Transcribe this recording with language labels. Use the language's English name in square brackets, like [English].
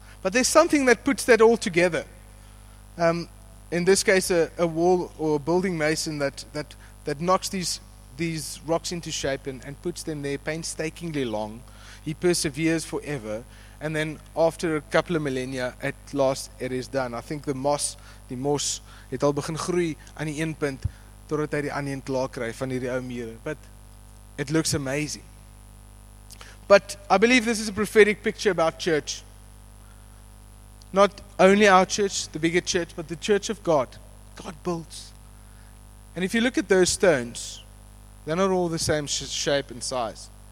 [English] But there's something that puts that all together. In this case, a wall or a building mason that knocks these rocks into shape and puts them there painstakingly long. He perseveres forever. And then after a couple of millennia, at last, it is done. I think the moss, [Afrikaans] het al begin groei aan die een punt, totdat hy die ander een klaar kry van hierdie ou muur. [English] But it looks amazing. But I believe this is a prophetic picture about church. Not only our church, the bigger church, but the church of God. God builds. And if you look at those stones, they're not all the same shape and size.